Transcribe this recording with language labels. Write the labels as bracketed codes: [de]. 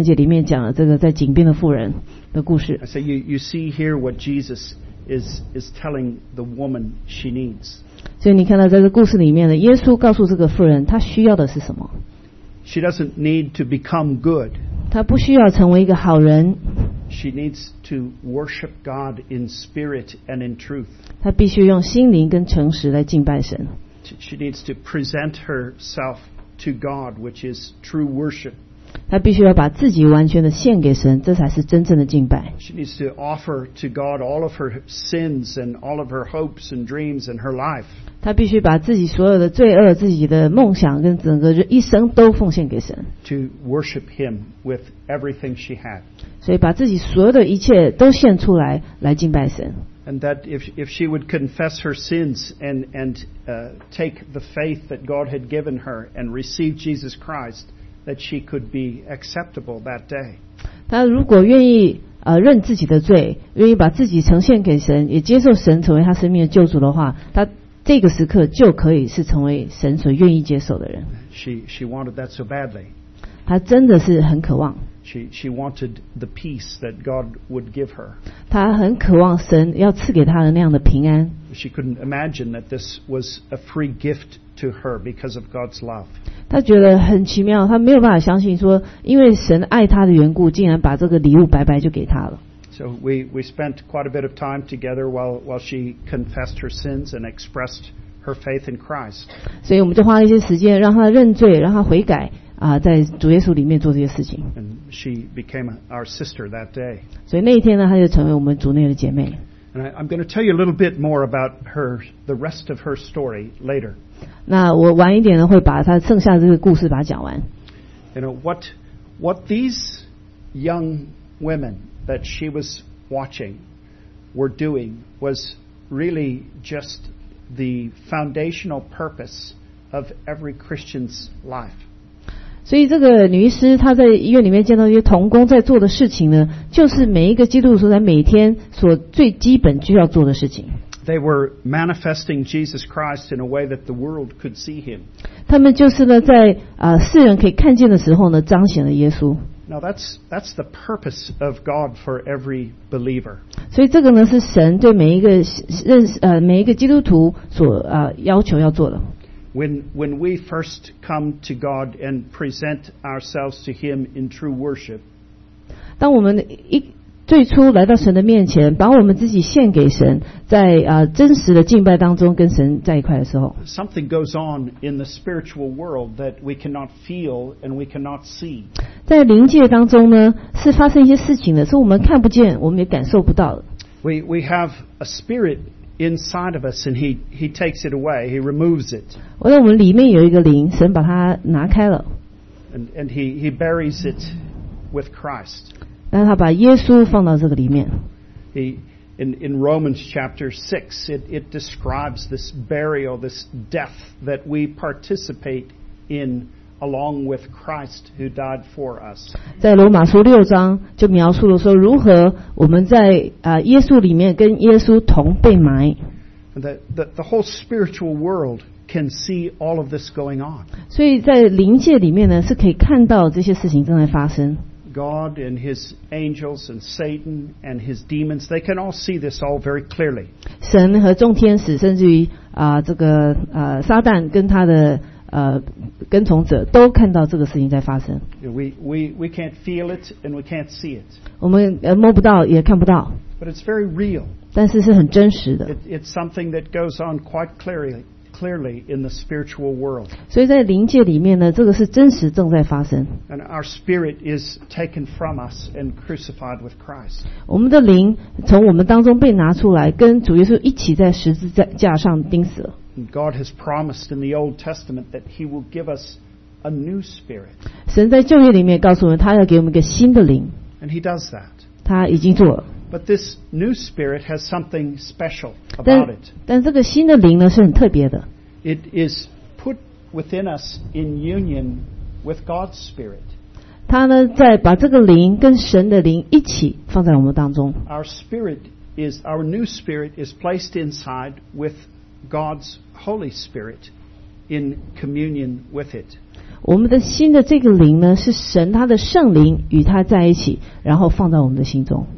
[zh] 所以呢我跟他讲约翰福音第四章第二十三节里面讲了这个在井边的妇人的故事。 [en] I say you see here what Jesus is telling the woman she needs. [zh] 所以你看到在这个故事里面呢, 耶稣告诉这个妇人她需要的是什么。 [en] She doesn't need to become good. [zh] 她不需要成为一个好人。 [en] She needs to worship God in spirit and in truth. [zh] 她必须用心灵跟诚实来敬拜神。 [en] She needs to present herself to God, which is true worship. [zh] 她必须要把自己完全的献给神, 这才是真正的敬拜。 [en] She needs to offer to God all of her sins and all of her hopes and dreams and her life. [zh] 她必须把自己所有的罪恶, 自己的梦想, 跟整个一生都奉献给神。 [en] To worship him with everything she had. [zh] 所以把自己所有的一切都献出来, 来敬拜神。 [en] And that if she would confess her sins and take the faith that God had given her and receive Jesus Christ, that she could be acceptable that day. [zh] 她如果愿意, 认自己的罪, 愿意把自己呈现给神, 也接受神成为她生命的救主的话, 她这个时刻就可以是成为神所愿意接受的人。 [en] She wanted that so badly. [zh] 她真的是很渴望。 [en] She wanted the peace that God would give her. [zh] 她很渴望神要赐给她的那样的平安。 [en] She couldn't imagine that this was a free gift to her because of God's love. [zh] 她觉得很奇妙，她没有办法相信说，因为神爱她的缘故，竟然把这个礼物白白就给她了。 [en] So we spent quite a bit of time together while she confessed her sins and expressed her faith in Christ. [zh] 所以我们就花了一些时间让她认罪，让她悔改。在主耶稣里面做这些事情。 [en] And she became our sister that day. [zh] 所以那一天呢，她就成为我们族内的姐妹。 [en] And I'm going to tell you a little bit more about the rest of her story later. [zh] 那我晚一点呢，会把她剩下的这个故事把它讲完。 [en] You know, what these young women that she was watching were doing was really just the foundational purpose of every Christian's life. [zh] 所以这个女医师她在医院里面见到一些同工在做的事情呢，就是每一个基督徒在每天所最基本就要做的事情。 [en] They were manifesting Jesus Christ in a way that the world could see him. [zh] 他们就是呢，在世人可以看见的时候呢，彰显了耶稣。 [en] Now that's the purpose of God for every believer. [zh] 所以这个呢，是神对每一个每一个基督徒所要求要做的。 [en] When we first come to God and present ourselves to Him in true worship, [zh] 当我们最初来到神的面前，把我们自己献给神，在真实的敬拜当中跟神在一块的时候， [en] something goes on in the spiritual world that we cannot feel and we cannot see. [zh] 在灵界当中呢，是发生一些事情的，是我们看不见，我们也感受不到的。 [en] We have a spirit. Inside of us, and he takes it away. He removes it. [zh] 我在我们里面有一个灵，神把它拿开了。 [en] And he buries it with Christ. [zh] 但他把耶稣放到这个里面。 [en] In Romans chapter 6, it describes this burial, this death that we participate in along with Christ who died for us. [zh] 在罗马书六章就描述了说如何我们在耶稣里面跟耶稣同被埋。 [en] The whole spiritual world can see all of this going on. [zh] 所以在灵界里面呢是可以看到这些事情正在发生。 [en] God and his angels and Satan and his demons, they can all see this all very clearly. [zh] 神和众天使甚至于这个撒旦跟他的跟从者都看到这个事情在发生。 [en] We can't feel it and we can't see it. [zh] 我们摸不到也看不到。 [en] But it's very real. [zh] 但是是很真实的。 [en] It's something that goes on quite clearly in the spiritual world. [zh] 所以在灵界里面呢，这个是真实正在发生。 [en] And our spirit is taken from us and crucified with Christ. [zh] 我们的灵从我们当中被拿出来，跟主耶稣一起在十字架上钉死了。 [en] God has promised in the Old Testament that He will give us a new spirit. [zh] 神在旧约里面告诉我们，他要给我们一个新的灵。 [en] And He does that. [zh] 他已经做了。 [en] But this new spirit has something special about it. [zh] 但这个新的灵呢，是很特别的。 [en] It is put within us in union with God's spirit. [zh] 他呢，在把这个灵跟神的灵一起放在我们当中。 [en] Our new spirit is placed inside with God's Holy Spirit in communion with it. [zh] 我们的新的这个灵呢，是神他的圣灵与他在一起，然后放在我们的心中。